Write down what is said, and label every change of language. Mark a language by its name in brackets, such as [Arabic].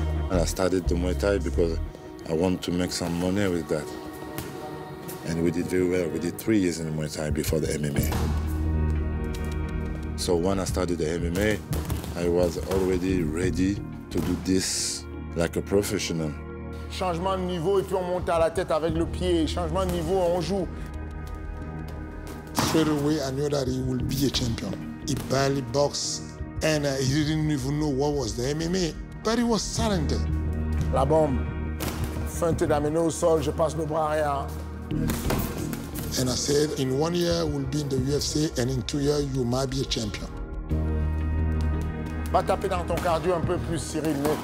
[English] And I started the Muay Thai because I wanted to make some money with that. And we did very well, we did 3 years in the Muay Thai before the MMA. So when I started the MMA, I was already ready to do this like a professional. [French] Changement de niveau et puis on monte à la tête avec le pied. Changement de niveau, on joue. [English] Straight away, I knew that he would be a champion. He barely boxed and he didn't even know what was the MMA, but he was talented. [French] La bombe, feinte d'amener au sol, je passe le bras arrière. [English] And I said, in 1 year, we'll be in the UFC, and in 2 years, you might be a champion. [French] Va taper dans ton cardio un peu plus, Ciryl.